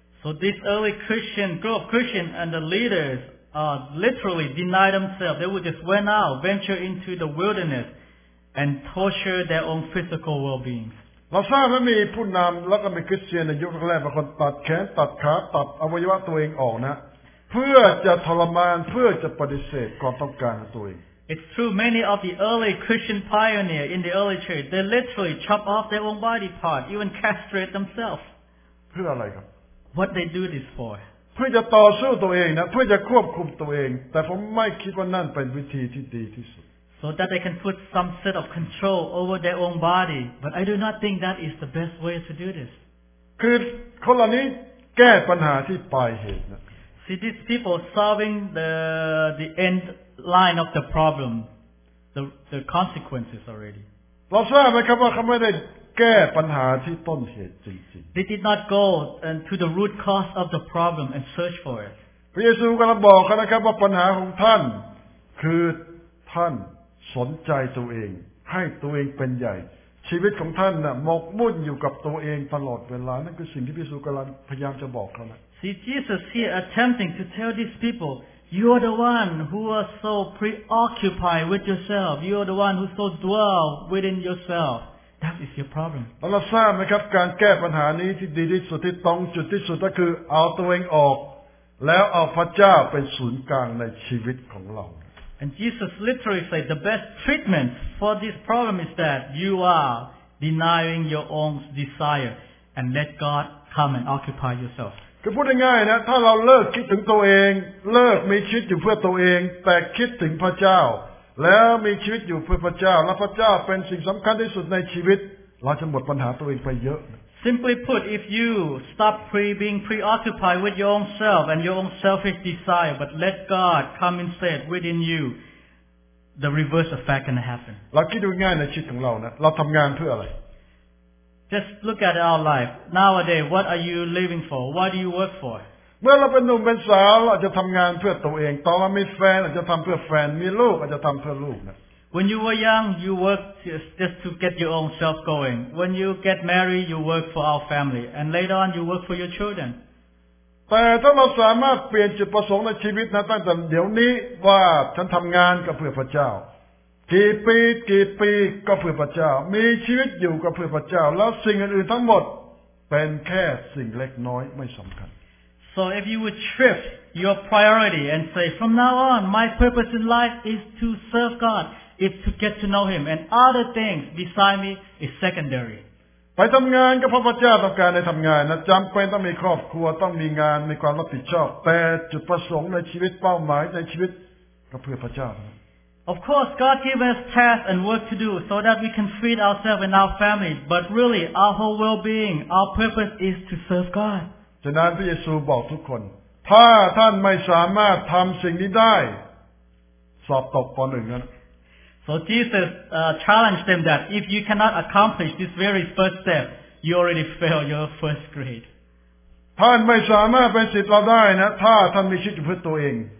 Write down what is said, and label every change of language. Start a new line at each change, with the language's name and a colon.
English: So this early Christian group of Christians and the leaders literally denied themselves. They would just went out, venture into the wilderness, and torture their own physical well-being.
Thai: เราทราบว่ามีผู้นำแล้วก็มีคริสเตียนในยุคแรกบางคนตัดแขนตัดขาตัดอวัยวะตัวเองออกนะเพื่อจะทรมานเพื่อจะปฏิเสธความต้องการของตัวเอง
English: It's true, many of the early Christian pioneers in the early church, they literally chop off their own body part, even castrate themselves.
Thai: เพื่ออะไรครับ
English: What they do this for?
Thai: เพื่อจะต่อสู้ตัวเองนะเพื่อจะควบคุมตัวเองแต่ผมไม่คิดว่านั่นเป็นวิธีที่ดีที่สุด
English: So that they can put some sort of control over their own body, but I do not think that is the best way to do this.
Thai: คือคนเหล่านี้แก้ปัญหาที่ปลายเหตุนะ
English: See these people solving the end line of the problem, the consequences already.
Thai: เราทราบไหมครับว่าเขาไม่ได้แก้ปัญหาที่ต้นเหตุจริงๆ
English: They did not go and to the root cause of the problem and search for it.
Thai: พระเยซูกำลังบอกเขานะครับว่าปัญหาของท่านคือท่านสนใจตัวเองให้ตัวเองเป็นใหญ่ชีวิตของท่านน่ะหมกมุ่นอยู่กับตัวเองตลอดเวลานั่นคือสิ่งที่พระเยซูกำลังพยายามจะบอกเขานะ
English: See, Jesus here attempting to tell these people, you are the one who are so preoccupied with yourself. You are the one who so dwell within yourself. That is your problem.
Thai: เราทราบไหมครับการแก้ปัญหานี้ที่ดีที่สุดที่ตรงจุดที่สุดก็คือเอาตัวเองออกแล้วเอาพระเจ้าเป็นศูนย์กลางในชีวิตของเรา
English: And Jesus literally said the best treatment for this problem is that you are denying your own desire and let God come and occupy yourself.
Thai: คือพูดง่ายๆนะถ้าเราเลิกคิดถึงตัวเองเลิกมีชีวิตอยู่เพื่อตัวเองแต่คิดถึงพระเจ้าแล้วมีชีวิตอยู่เพื่อพระเจ้าและพระเจ้าเป็นสิ่งสำคัญที่สุดในชีวิตเราจะหมดปัญหาตัวเองไปเยอะ
English: Simply put if you stop being preoccupied with your own self and your own selfish desire but let God come instead within you the reverse effect can happen
Thai: เราคิดง่ายๆในชีวิตของเรานะเราทำงานเพื่ออะไร
English: Just look at our life nowadays. What are you living for? What do you work for?
Thai: เมื่อเราเป็นหนุ่มเป็นสาวเราจะทำงานเพื่อตัวเองตอนเรามีแฟนเราจะทำเพื่อแฟนมีลูกเราจะทำเพื่อลูกนะ
English: When you were young, you worked just to get your own self going. When you get married, you work for our family, and later on, you work for your children.
Thai: แต่ถ้าเราสามารถเปลี่ยนจุดประสงค์ในชีวิตนะตั้งแต่เดี๋ยวนี้ว่าฉันทำงานก็เพื่อพระเจ้ากี่ปีกี่ปีก็เพื่อพระเจ้ามีชีวิตอยู่ก็เพื่อพระเจ้าแล้วสิ่งอื่นๆทั้งหมดเป็นแค่สิ่งเล็กน้อยไม่สำคัญ
English: So if you would shift your priority and say from now on my purpose in life is to serve God is to get to know Him and other things beside me is secondary
Thai: ไปทำงานก็เพราะพระเจ้าต้องการให้ทำงานนะจำเป็นต้องมีครอบครัวต้องมีงานมีความรับผิดชอบแต่จุดประสงค์ในชีวิตเป้าหมายในชีวิตก็เพื่อพระเจ้า
English: Of course, God gave us tasks and work to do so that we can feed ourselves and our family. But really, our whole well-being, our purpose is to serve God.
Thai: ฉะนั้นพระเยซูบอกทุกคนถ้าท่านไม่สามารถทำสิ่งนี้ได้สอบตกป.1นะ
English: So Jesus challenged them that if you cannot accomplish this very first step, you already fail your first grade.
Thai: ท่านไม่สามารถเป็นศิษย์เราได้นะถ้าท่านมีชีวิตเพื่อตัวเอง